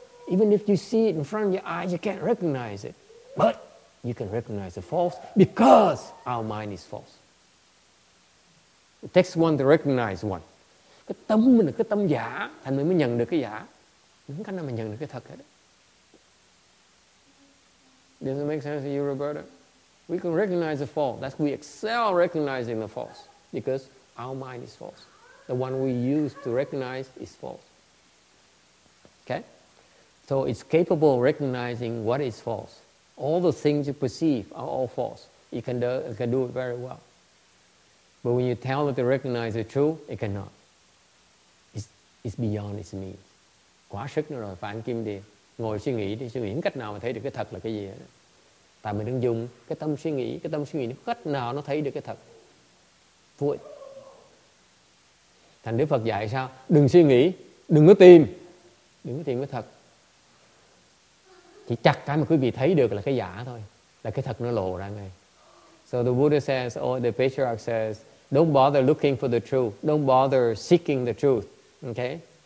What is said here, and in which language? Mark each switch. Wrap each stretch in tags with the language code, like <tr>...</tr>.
<en>Even if you see it in front of your eyes, you can't recognize it. But you can recognize the false because our mind is false. It takes one to recognize one.</en> <vi>Cái tâm mình là cái tâm giả, thành mình mới nhận được cái giả. Không cách nào mà nhận được cái thật hết.</vi> <en>Does it make sense to you, Roberta? We can recognize the false. That's we excel recognizing the false because our mind is false. The one we use to recognize is false. Okay? So it's capable of recognizing what is false. All the things you perceive are all false. It can do it very well. But when you tell it to recognize the truth, it cannot. It's beyond its means.</en> <vi>Quá sức nữa rồi, phản kim đi. Ngồi suy nghĩ cách nào mà thấy được cái thật là cái gì? Tại mình đang dùng cái tâm suy nghĩ nó cách nào nó thấy được cái thật? Vui. Thành Đức Phật dạy sao? Đừng suy nghĩ, đừng có tìm cái thật. Chỉ chặt cái mà quý vị thấy được là cái giả thôi, là cái thật nó lộ ra ngay.</vi> <en>So the Buddha says, or the patriarch says, don't bother looking for the truth, don't bother seeking the truth, okay?</en>